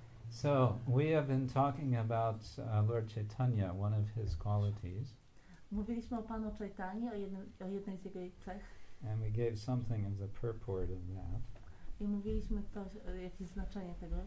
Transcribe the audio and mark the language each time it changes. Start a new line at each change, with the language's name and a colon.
English: So we have been talking about Lord Chaitanya, one of his qualities.
Polish: Mówiliśmy o panu Chaitanyi, o jednej z jego cech.
English: And we gave something of the purport of that.
Polish: I mówiliśmy coś, jakieś znaczenie tego.